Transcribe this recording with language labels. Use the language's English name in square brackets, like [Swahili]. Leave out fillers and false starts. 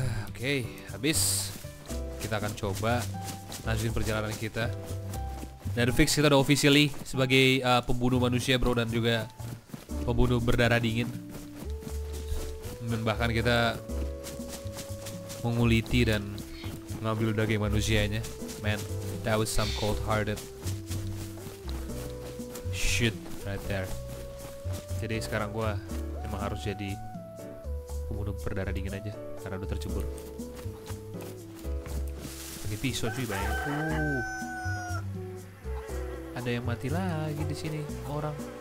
[Indonesian] Oke, habis. Kita akan coba lanjutin perjalanan kita. Dan fix kita udah officially sebagai pembunuh manusia bro, dan juga pembunuh berdarah dingin. Dan bahkan kita menguliti dan ngambil daging manusianya. [English] Man, that was some cold hearted shit right there. [Indonesian] Jadi sekarang gua emang harus jadi pembunuh berdarah dingin aja, karena udah tercebur. Pakai pisau cuy banyak. Ada yang mati lagi di sini orang.